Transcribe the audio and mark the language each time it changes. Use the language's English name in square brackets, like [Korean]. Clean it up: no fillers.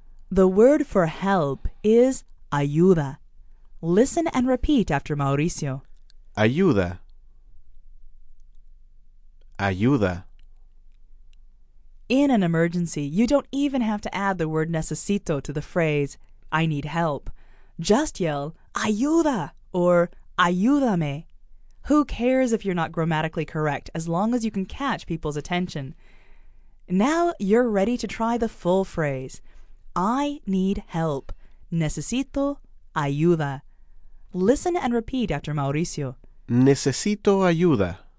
[English] The word for help is ayuda. Listen and repeat after Mauricio. [Spanish] Ayuda. Ayuda. [English] In an emergency, you don't even have to add the word necesito to the phrase, I need help. Just yell, ayuda, or ayúdame. Who cares if you're not grammatically correct, as long as you can catch people's attention. Now you're ready to try the full phrase. I need help. [Spanish] Necesito ayuda. [English] Listen and repeat after Mauricio. [Spanish] Necesito ayuda.